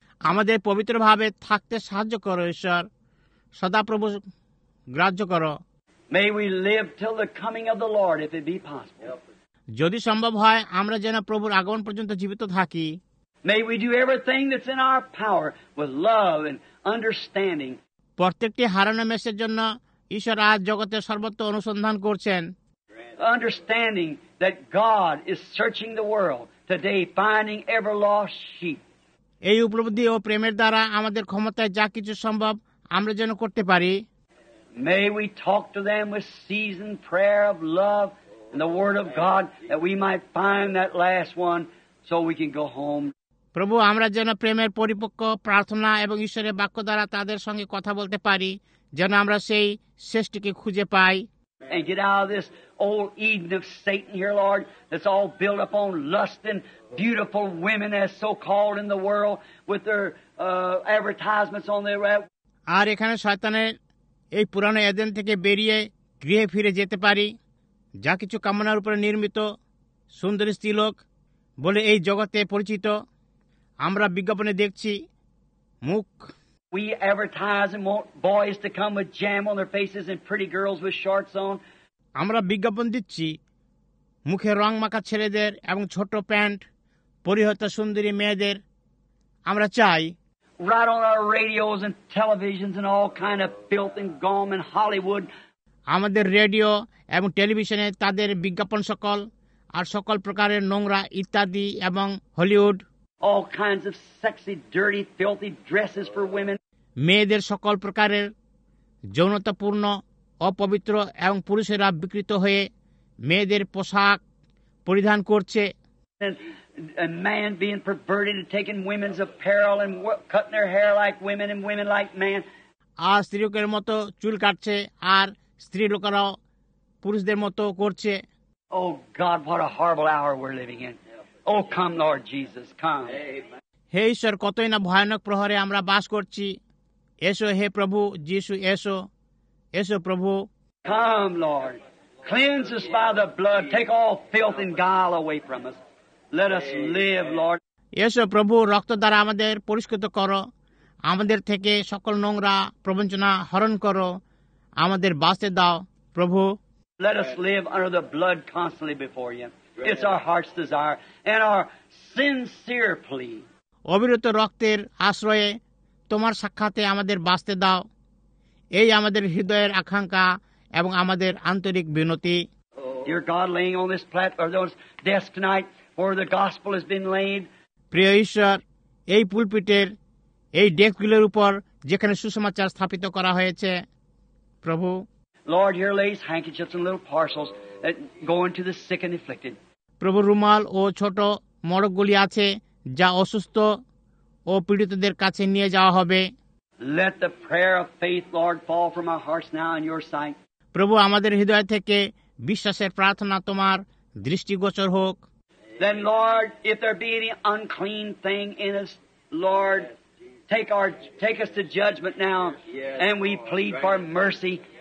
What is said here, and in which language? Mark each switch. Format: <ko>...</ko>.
<bn>আমাদের পবিত্রভাবে থাকতে সাহায্য করো ঈশ্বর, সদা প্রভু গ্রাহ্য করো।</bn> <en>May we live till the coming of the Lord if it be possible.</en> <bn>যদি সম্ভব হয় আমরা যেন প্রভুর আগমন পর্যন্ত জীবিত থাকি।</bn> <en>May we do everything that's in our power with love and understanding.</en> <bn>প্রত্যেকটি হারানো মেসের জন্য ঈশ্বর আজ জগতের সর্বত্র অনুসন্ধান করছেন।</bn> <en>Understanding that God is searching the world today, finding ever lost sheep.</en> <bn>এই উপলব্ধি ও প্রেমের দ্বারা আমাদের ক্ষমতায় যা কিছু সম্ভব আমরা যেন করতে পারি।</bn> <en>May we talk to them with seasoned prayer of love and the word of God that we might find that last one so we can go home.</en> <bn>প্রভু আমরা যেন প্রেমের পরিপক্ক প্রার্থনা এবং ঈশ্বরের বাক্য দ্বারা তাদের সঙ্গে কথা বলতে পারি যেন আমরা সেই শ্রেষ্ঠকে খুঁজে পাই।</bn> <en>And get out of this old Eden of Satan here, Lord, that's all built up on lust and beautiful women as so-called in the world with their advertisements on their web.</en> <bn>আর এখানে শয়তানের এই পুরানো এদেন থেকে বেরিয়ে গৃহে ফিরে যেতে পারি যা কিছু কামনার উপরে নির্মিত সুন্দরী স্ত্রী লোক বলে এই জগতে পরিচিত আমরা বিজ্ঞাপনে দেখছি মুখ</bn> <en>We advertise and want boys to come with jam on their faces and pretty girls with shorts on.</en> <bn>আমরা বিজ্ঞাপন দিচ্ছি মুখে রং মাখা ছেলেদের এবং ছোট প্যান্ট পরিহিত সুন্দরী মেয়েদের আমরা চাই।</bn> <en>Right on our radios and televisions and all kind of filth and gum and Hollywood.</en> <bn>আমাদের রেডিও এবং টেলিভিশনে তাদের বিজ্ঞাপন সকল আর সকল প্রকারের নোংরা ইত্যাদি এবং Hollywood</bn> <en>All kinds of sexy, dirty, filthy dresses for women.</en> <bn>মেয়েদের সকল প্রকারের যৌনতাপূর্ণ অপবিত্র এবং পুরুষেরা বিকৃত হয়ে মেয়েদের পোশাক পরিধান করছে</bn> <en>man being perverted and taking women's apparel and cutting their hair like women and women like man.</en> <bn>আর স্ত্রীলোকের মতো চুল কাটছে আর স্ত্রীলোকেরাও পুরুষদের মতো করছে</bn> <en>Oh God, what a horrible hour we're living in. Oh, come, Lord Jesus, come.</en> <bn>হে ঈশ্বর কতই না ভয়ানক প্রহরে আমরা বাস করছি এসো হে প্রভু যীশু এসো এসো প্রভু</bn> <en>Come, Lord. Cleanse us by the blood. Take all filth and guile away from us. Let us live, Lord.</en> <bn>এসো প্রভু রক্ত দ্বারা আমাদের পরিষ্কৃত করো আমাদের থেকে সকল নোংরা প্রবঞ্চনা হরণ করো আমাদের বাঁচতে দাও প্রভু</bn> <en>Let us live under the blood constantly before you. It's our heart's desire and our sincere plea.</en> <bn>অবিরত রক্তের আশ্রয়ে তোমার সাক্ষাতে আমাদের বাঁচতে দাও এই আমাদের হৃদয়ের আকাঙ্ক্ষা এবং আমাদের আন্তরিক বিনতি</bn> <en>Dear God, laying on this platform, on this desk tonight, where the gospel has been laid.</en> <bn>প্রিয় ঈশ্বর এই পুলপিটের এই ডেস্কগুলোর উপর যেখানে সুসমাচার স্থাপিত করা হয়েছে প্রভু</bn> <en>Lord, here lays handkerchiefs and little parcels. Go into the sick and afflicted.</en> <bn>প্রভু রুমাল ও ছোট মড়কগুলি আছে যা অসুস্থ ও পীড়িতদের কাছে নিয়ে যাওয়া হবে</bn> <en>Let the prayer of faith, Lord, fall from our hearts now in your sight.</en> <bn>প্রভু আমাদের হৃদয় থেকে বিশ্বাসের প্রার্থনা তোমার দৃষ্টিগোচর হোক</bn> <en>Then, Lord, if there be any unclean thing in us, Lord, take us to judgment now, and we plead for mercy.</en>